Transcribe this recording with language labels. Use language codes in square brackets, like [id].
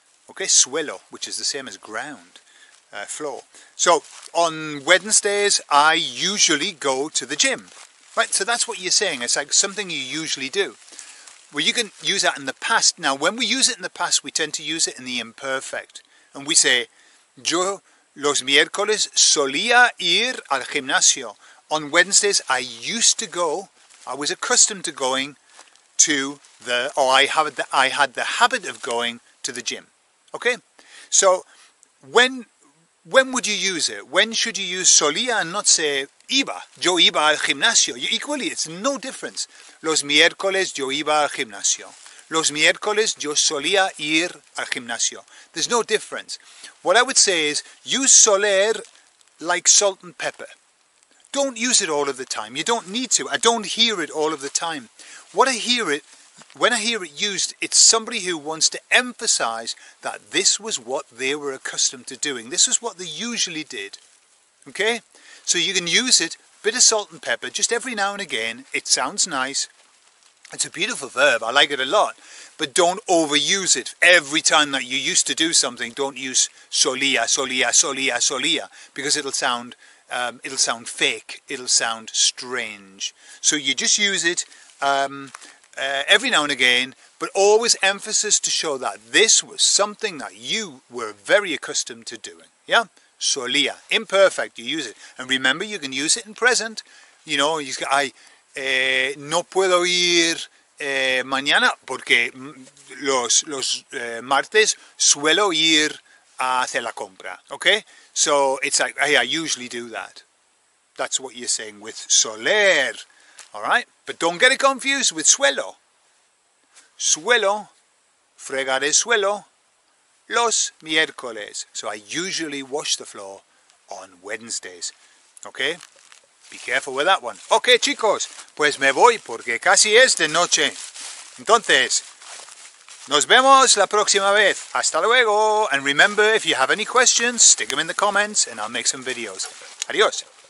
[en] Okay, suelo, which is the same as ground. Floor. So on Wednesdays, I usually go to the gym. Right, so that's what you're saying. It's like something you usually do. Well, you can use that in the past. Now, when we use it in the past, we tend to use it in the imperfect. And we say, [es] yo los miércoles solía ir al gimnasio. [en] On Wednesdays, I used to go, I was accustomed to going to the, or I had the habit of going to the gym. Okay? So When would you use it? When should you use solía and not say iba? [es] Yo iba al gimnasio. [en] Equally, it's no difference. [es] Los miércoles yo iba al gimnasio. Los miércoles yo solía ir al gimnasio. [en] There's no difference. What I would say is use soler like salt and pepper. Don't use it all of the time. You don't need to. I don't hear it all of the time. When I hear it used, it's somebody who wants to emphasize that this was what they were accustomed to doing. This is what they usually did. Okay? So you can use it, bit of salt and pepper, just every now and again. It sounds nice. It's a beautiful verb. I like it a lot. But don't overuse it. Every time that you used to do something, don't use solía, solía, solía, solía, because it'll sound fake. It'll sound strange. So you just use it every now and again, but always emphasis to show that this was something that you were very accustomed to doing. Yeah? Solía. Imperfect, you use it. And remember, you can use it in present. You know, you say, [es] no puedo ir mañana porque los martes suelo ir a hacer la compra. [en] Okay? So it's like, hey, I usually do that. That's what you're saying with soler. All right, but don't get it confused with suelo. [es] Suelo, fregar el suelo, los miércoles. [en] So I usually wash the floor on Wednesdays. Okay, be careful with that one. [es] Okay, chicos, pues me voy porque casi es de noche. Entonces, nos vemos la próxima vez. Hasta luego. [en] And remember, if you have any questions, stick them in the comments and I'll make some videos. Adios.